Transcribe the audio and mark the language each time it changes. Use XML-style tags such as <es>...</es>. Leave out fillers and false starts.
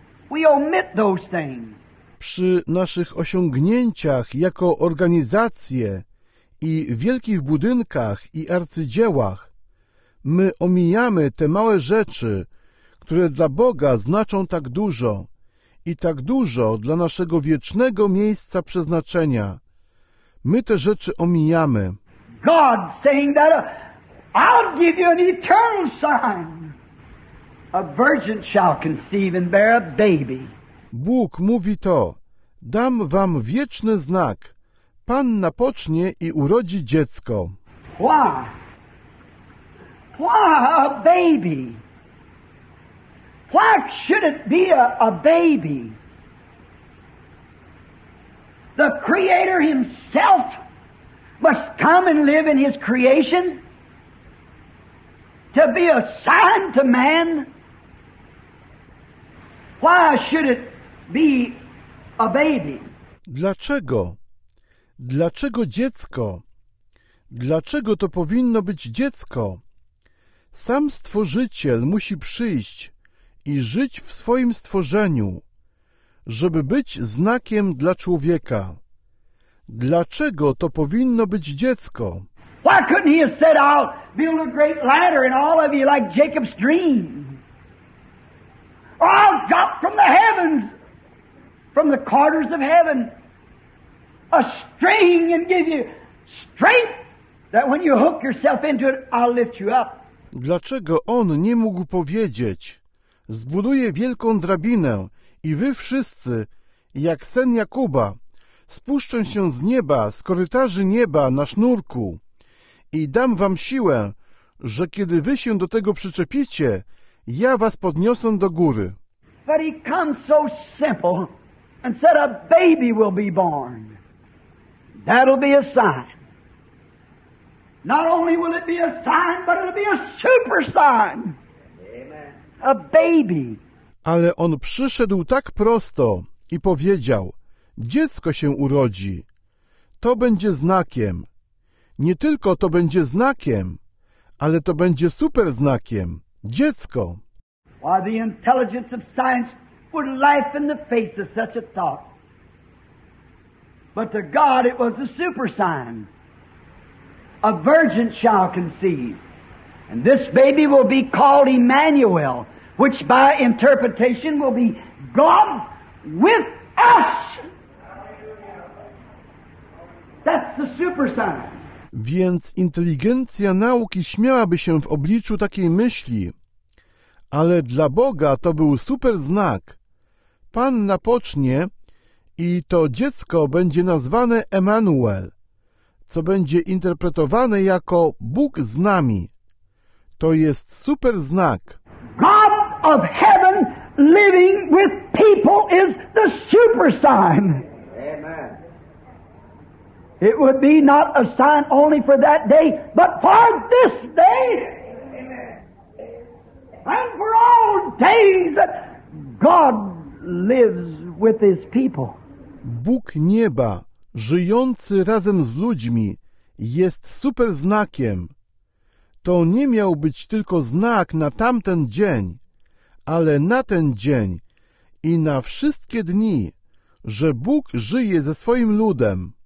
<en>We omit those things.</en> <pl>Przy naszych osiągnięciach jako organizacje i wielkich budynkach i arcydziełach, my omijamy te małe rzeczy, które dla Boga znaczą tak dużo i tak dużo dla naszego wiecznego miejsca przeznaczenia. My te rzeczy omijamy.</pl> <en>God saying that I'll give you an eternal sign. A virgin shall conceive and bear a baby.</en> <pl>Bóg mówi to. Dam wam wieczny znak. Panna pocznie i urodzi dziecko.</pl> <en>Why? Why a baby? Why should it be a baby? The Creator Himself must come and live in His creation to be a sign to man. Why should it be a baby?</en> <pl>Dlaczego? Dlaczego dziecko? Dlaczego to powinno być dziecko? Sam Stworzyciel musi przyjść i żyć w swoim stworzeniu, żeby być znakiem dla człowieka. Dlaczego to powinno być dziecko?</pl> <en>Why couldn't he have said, I'll build a great ladder in all of you like Jacob's dream? I'll drop from the heavens, from the quarters of heaven, a string and give you strength that when you hook yourself into it, I'll lift you up.</en> <pl>Dlaczego on nie mógł powiedzieć: zbuduję wielką drabinę i wy wszyscy, jak sen Jakuba, spuszczę się z nieba, z korytarzy nieba na sznurku i dam wam siłę, że kiedy wy się do tego przyczepicie, ja was podniosę do góry.</pl> <en>But he comes so simple and said a baby will be born. That'll be a sign. Not only will it be a sign, but it'll be a super sign. Amen. A baby.</en> <pl>Ale on przyszedł tak prosto i powiedział: dziecko się urodzi. To będzie znakiem. Nie tylko to będzie znakiem, ale to będzie super znakiem. Dziecko.</pl> <en>Why, the intelligence of science would laugh in the face of such a thought. But to God it was a super sign. A virgin shall conceive. And this baby will be called Emmanuel, which by interpretation will be God with us. That's the super sign.</en> <pl>Więc inteligencja nauki śmiałaby się w obliczu takiej myśli. Ale dla Boga to był super znak. Pan napocznie i to dziecko będzie nazwane Emmanuel, co będzie interpretowane jako Bóg z nami. To jest super znak.</pl> <en>God of heaven living with people is the super sign. Amen. It would be not a sign only for that day, but for this day. And for all days that God lives with his people.</en> <pl>Bóg nieba, żyjący razem z ludźmi, jest super znakiem. To nie miał być tylko znak na tamten dzień, ale na ten dzień i na wszystkie dni, że Bóg żyje ze swoim ludem.</pl>